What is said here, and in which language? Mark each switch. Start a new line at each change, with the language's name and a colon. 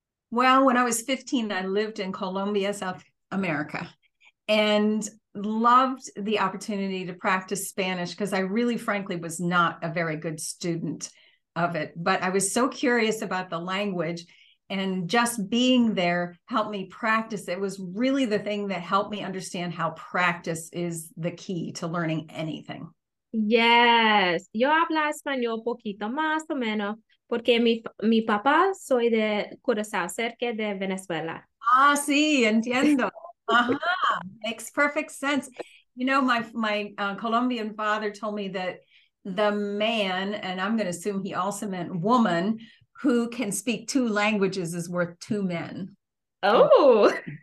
English: Well, when I was 15, I lived in Colombia, South America, and loved the opportunity to practice Spanish because I really, frankly, was not a very good student of it. But I was so curious about the language, and just being there helped me practice. It was really the thing that helped me understand how practice is the key to learning anything. Yes.
Spanish: Yo hablo español poquito más o menos. Porque mi papá soy de Curaçao, cerca de Venezuela.
English: Ah,
Spanish: sí, entiendo.
English: Makes perfect sense. You know, my Colombian father told me that the man, and I'm going to assume he also meant woman, who can speak two languages is worth two men. Oh.